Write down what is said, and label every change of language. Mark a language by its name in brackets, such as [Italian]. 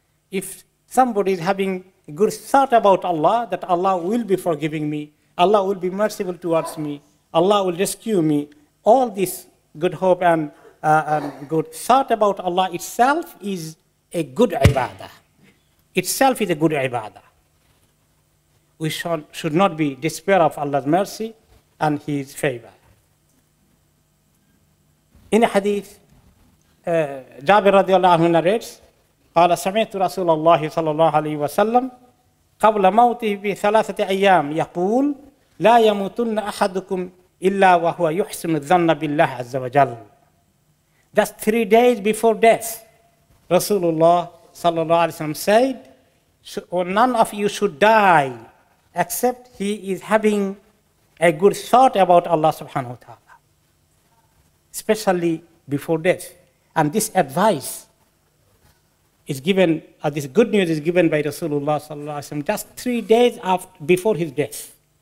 [English] If somebody is having a good thought about Allah, that Allah will be forgiving me, Allah will be merciful towards me, Allah will rescue me, all this good hope and good thought about Allah itself is a good ibadah. Itself is a good ibadah. We should not be despair of Allah's mercy and His favor. In a hadith, Jabir radiallahu anhu narrates, [Arabic] قال سمعت رسول الله صلى الله عليه وسلم قبل موته بثلاثة أيام يقول لا يموتن أحدكم إلا وهو يحسن الظن بالله عز وجل. [English] That's 3 days before death. Rasulullah sallallahu alaihi wasallam said, none of you should die except he is having a good thought about Allah subhanahu wa ta'ala. Especially before death. And this advice is given, this good news is given by Rasulullah sallallahu alaihi wasallam just 3 days after, before his death.